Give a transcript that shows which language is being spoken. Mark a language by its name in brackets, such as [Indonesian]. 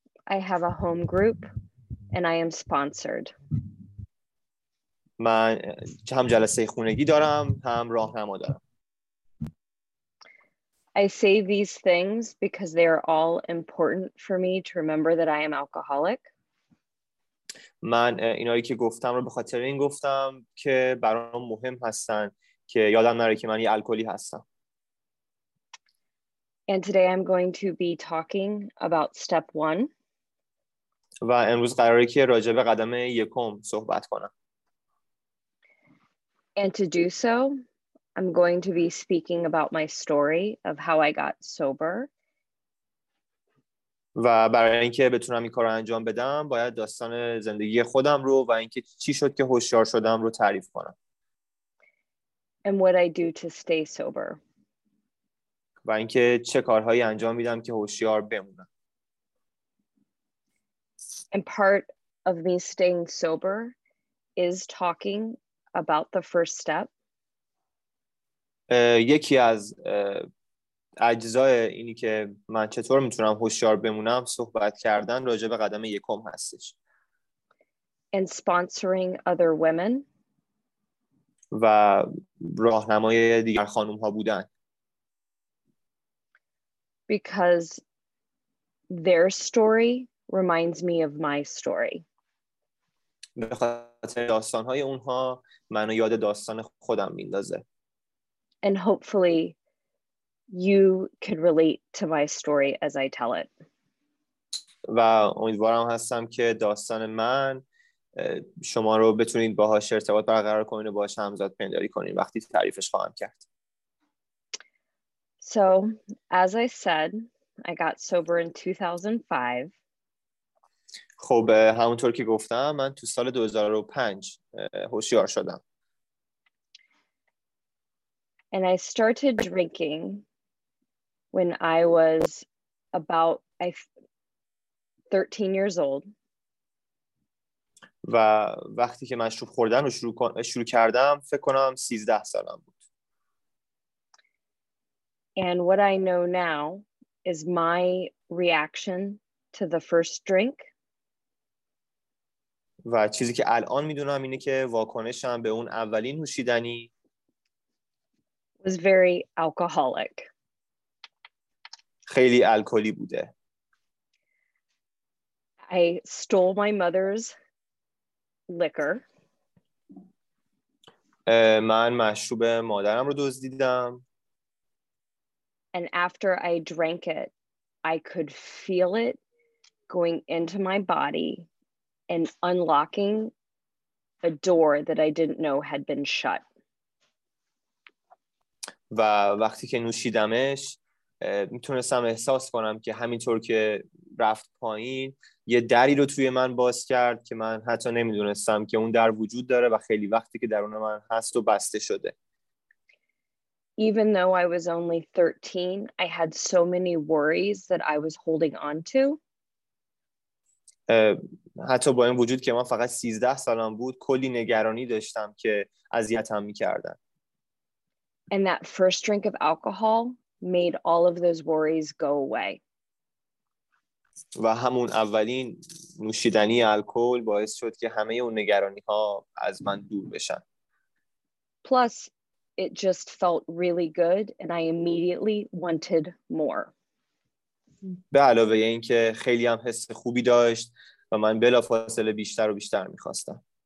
[English] I have a home group and I am sponsored. [Persian] من هم جلسه خونگی دارم هم راهنما دارم. [English] I say these things because they are all important for me to remember that I am alcoholic. [Persian] من اینایی که گفتم رو به خاطر این گفتم که برام مهم هستن که یادم نره که من یه الکلی هستم. [English] And today I'm going to be talking about step one. [Persian] و امروز قراره که راجع به قدم یکم صحبت کنم. [English] And to do so, I'm going to be speaking about my story of how I got sober. [Persian] و برای اینکه بتونم این کارو انجام بدم، باید داستان زندگی خودم رو و اینکه چی شد که هوشیار شدم رو تعریف کنم. [English] And what I do to stay sober. [Persian] و اینکه چه کارهایی انجام میدم که هوشیار بمونم. [English] And part of me staying sober is talking about the first step. [Persian] یکی از اجزای اینی که من چطور میتونم هوشیار بمونم صحبت کردن راجع به قدم یکم هستش. [English] And sponsoring other women. [Persian] و راهنمای دیگر خانم ها بودن. [English] Because their story reminds me of my story. [Persian] به خاطر داستان‌های اونها منو یاد داستان خودم میندازه. [English] And hopefully you can relate to my story as I tell it. [Persian] و امیدوارم هستم که داستان من شما رو بتونید باهاش ارتباط برقرار کنین و باهاش همزاد پنداری کنین وقتی تعریفش خواهم کرد. [English] So, as I said, I got sober in 2005. [Persian] خب همونطور که گفتم من تو سال 2005 هوشیار شدم. [English] And I started drinking when I was about 13 years old. [Persian] و وقتی که مشروب خوردن رو شروع کردم فکر کنم 13 سالم بود. [English] And what I know now is my reaction to the first drink. [Persian] و چیزی که الان میدونم اینه که واکنشم به اون اولین نوشیدنی [English] was very alcoholic. [Persian] خیلی الکلی بوده. [English] I stole my mother's liquor. [Persian] من مشروب مادرم رو دزدیدم. [English] And after I drank it, I could feel it going into my body and unlocking a door that I didn't know had been shut. [Persian] و وقتی که نوشیدمش میتونستم احساس کنم که همینطور که رفت پایین یه دری رو توی من باز کرد که من حتی نمیدونستم که اون در وجود داره و خیلی وقتی که درون من هست و بسته شده. [English] Even though I was only 13, I had so many worries that I was holding on to. [Persian] حتی با این وجود که من فقط 13 سالم بود کلی نگرانی داشتم که اذیتم می‌کردن. [English] And that first drink of alcohol made all of those worries go away. [Persian] و همون اولین نوشیدنی الکل باعث شد که همه اون نگرانی ها از من دور بشن. [English] Plus, it just felt really good and I immediately wanted more. [Persian] به علاوه این که خیلی هم حس خوبی داشت و من بلافاصله بیشتر و بیشتر میخواستم.